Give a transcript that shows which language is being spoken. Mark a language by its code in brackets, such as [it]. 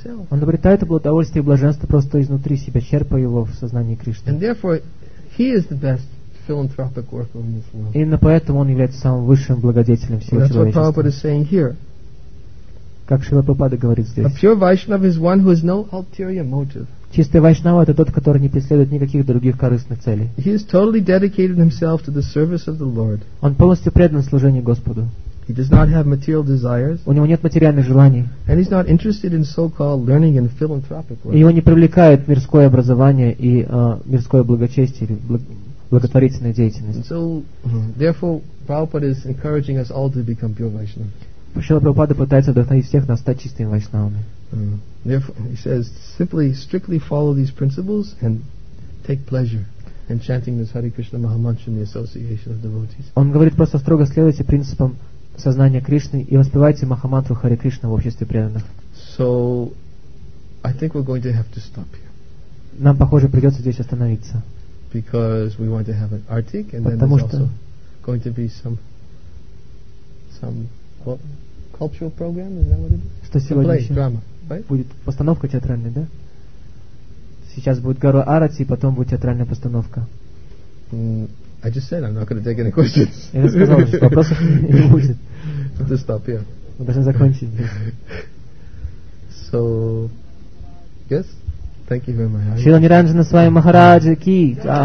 [ru] Он обретает удовольствие и блаженство просто изнутри себя, черпая его в сознании Кришны. [en] And therefore, he is the best philanthropic worker in this world. [ru] Именно поэтому он является самым высшим благодетелем всего человечества. [en] That's what Prabhupada is saying here. [ru] Как Шрила Прабхупада говорит здесь. [en] A pure Vaishnava is one who has no ulterior motive. [ru] Чистый вайшнава — это тот, который не преследует никаких других корыстных целей. [en] He is totally dedicated himself to the service of the Lord. [ru] Он полностью предан служению Господу. [en] He does not have material desires. [ru] У него нет материальных желаний. [en] And he's not interested in so-called learning and philanthropic work. [ru] Его не привлекает мирское образование и мирское благочестие или благотворительная деятельность. [en] And so, therefore, Prabhupada is encouraging us all to become pure Vaishnavas. [ru] Шрила Прабхупада пытается вдохновить всех нас стать чистыми вайшнавами. [en] He says, simply, strictly follow these principles and take pleasure in chanting this Hare Krishna Maha Mantra in the association of devotees. [ru] Он говорит, просто строго следуйте принципам сознания Кришны и воспевайте Махамантру Харе Кришна в обществе преданных. [en] So, I think we're going to have to stop here. [ru] Нам, похоже, придется здесь остановиться. [en] Because we want to have an artik, and then there's also going to be some cultural program, is that what it is? [ru] Что сегодня еще? [en] Drama, right? [ru] Будет постановка театральная, да? Сейчас будет Гару Арати, и потом будет театральная постановка. [en] I just said I'm not going to take any questions. [ru] Я же сказал, что вопросов не будет. [en] To stop, yeah. [ru] Мы должны закончить. [en] So, yes, thank you very much. [ru] Шрила Ниранджана с вами Махараджа Ки.